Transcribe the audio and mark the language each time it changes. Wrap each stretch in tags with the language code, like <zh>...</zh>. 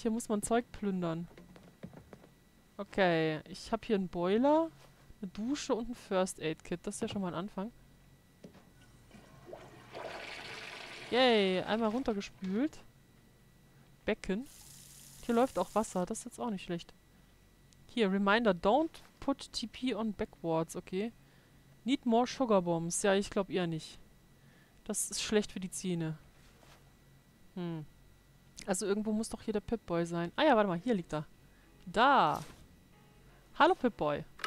<de>Hier muss man Zeug plündern. Okay. Ich habe hier einen Boiler, eine Dusche und ein First Aid Kit. Das ist ja schon mal ein Anfang. Yay. Einmal runtergespült. Becken. Hier läuft auch Wasser. Das ist jetzt auch nicht schlecht.</de> <en>Hier, Reminder, don't put TP on backwards, okay? Need more sugar bombs.</en> <de>Ja, ich glaube eher nicht. Das ist schlecht für die Zähne. Also irgendwo muss doch hier der Pip-Boy sein. Ah ja, warte mal, hier liegt er. Da! Hallo, Pip-Boy!</de>